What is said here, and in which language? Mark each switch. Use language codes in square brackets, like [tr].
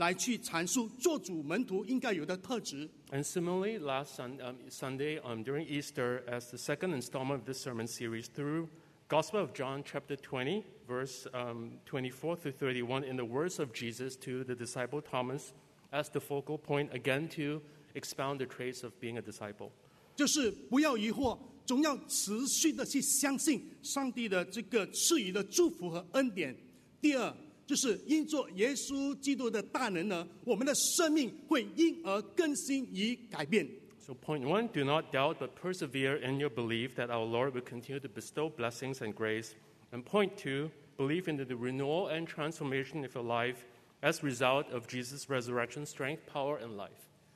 [zh] 以耶稣的话跟门徒多马作为焦点呢，来去阐述做主门徒应该有的特质。 [en] And similarly, last Sunday during Easter, as the second installment of this sermon series, through Gospel of John chapter 20, verse 24 through 31, in the words of Jesus to the disciple Thomas, as the focal point again to expound the traits of being a disciple. [zh] 就是不要疑惑。总要持续的去相信上帝的这个赐予的祝福和恩典。第二，就是因着耶稣基督的大能呢，我们的生命会因而更新与改变。 [en] So point one, do not doubt, but persevere in your belief that our Lord will continue to bestow blessings and grace. And point two, believe in the renewal and transformation of your life as a result of Jesus' resurrection strength, power, and life.